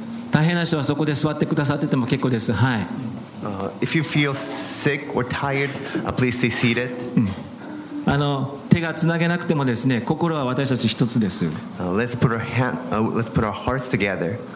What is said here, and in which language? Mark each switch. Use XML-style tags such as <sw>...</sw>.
<ja>大変な人はそこで座ってくださってても結構です。はい。</ja> <en>If you feel sick or tired, please stay seated.</en> <ja>手がつなげなくてもですね、心は私たち一つです。</ja> <en>Let's put our hand, let's put our hearts together.</en>